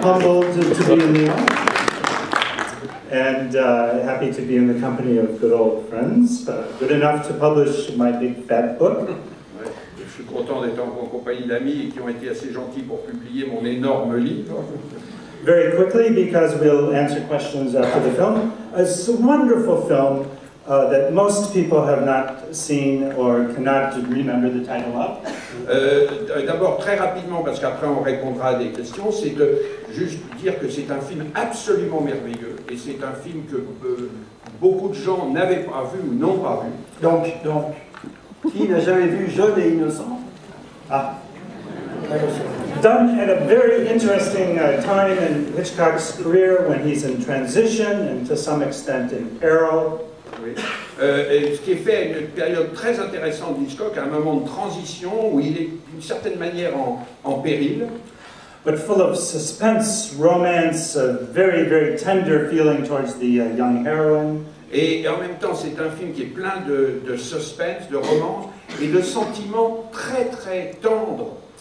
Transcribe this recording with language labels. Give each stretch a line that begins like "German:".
English: Humbled to be in the and happy to be in the company of good old friends. Good enough to publish my big fat book.
French: Je suis content d'être en compagnie d'amis qui ont été assez gentils pour publier mon énorme livre.
English: Very quickly, because we'll answer questions after the film. It's a wonderful film that most people have not seen or cannot remember the title of.
French: D'abord, très rapidement, parce qu'après on répondra à des questions, c'est de juste dire que c'est un film absolument merveilleux, et c'est un film que beaucoup de gens n'avaient pas vu ou n'ont pas vu. Donc, qui n'a jamais vu Jeune et innocent? Ah.
English: Done at a very interesting time in Hitchcock's career when he's in transition and to some extent in peril.
French: Ce qui est fait à une période très intéressante d'Hitchcock, à un moment de transition où il est d'une certaine manière en péril.
English: But full of suspense, romance, a very, very tender feeling towards the young heroine.
French: Et en même temps, c'est un film qui est plein de suspense, de romance et de sentiments très, très tendres.